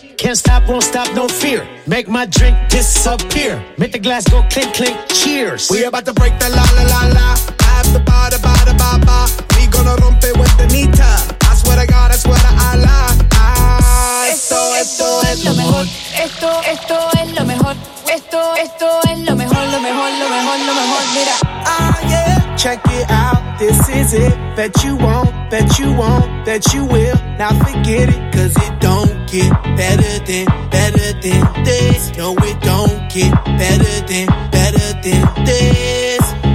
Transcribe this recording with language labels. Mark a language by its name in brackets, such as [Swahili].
[English] Can't stop, won't stop, no fear. Make my drink disappear. Make the glass go clink, clink, cheers. We about to break the la-la-la-la. After ba-da-ba-da-ba-ba. We gonna rompe with the nita. I swear to God, I swear to Allah. [Spanish] Esto es lo mejor. Esto es lo mejor. Esto es lo mejor, lo mejor, lo mejor, lo mejor. Mira. [English] Ah, yeah. Check it out. This is it, bet you won't, bet you won't, bet you will. Now forget it, cause it don't get better than this. No, it don't get better than this.